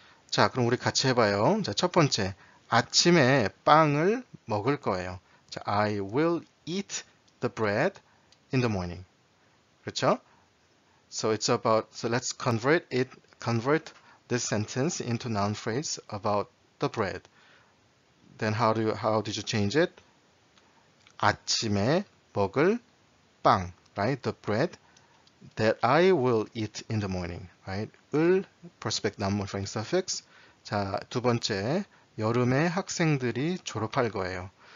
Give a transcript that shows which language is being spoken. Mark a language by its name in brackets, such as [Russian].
[Korean] 자, 그럼 우리 같이 해봐요. 자, 첫 번째. 아침에 빵을 먹을 거예요. [English] 자, I will eat the bread in the morning. [Korean] 그렇죠? [English] So let's convert this sentence into noun phrase about the bread. Then how did you change it? [Korean] 아침에 먹을 빵, [English] right? The bread that I will eat in the morning, right? 을 prospect noun modifying suffix. [Korean] 자, 두 번째. 여름에 학생들이 졸업할 거예요.